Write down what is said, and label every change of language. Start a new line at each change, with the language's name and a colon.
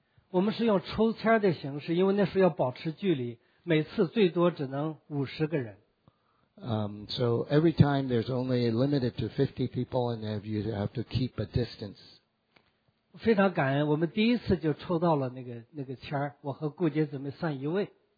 Chinese: 我们是用抽签的形式，因为那时候要保持距离，每次最多只能50个人。
English: So every time there's only limited to 50 people, and you have to keep a distance.
Chinese: 非常感恩，我们第一次就抽到了那个签，我和顾姐姊妹算一位。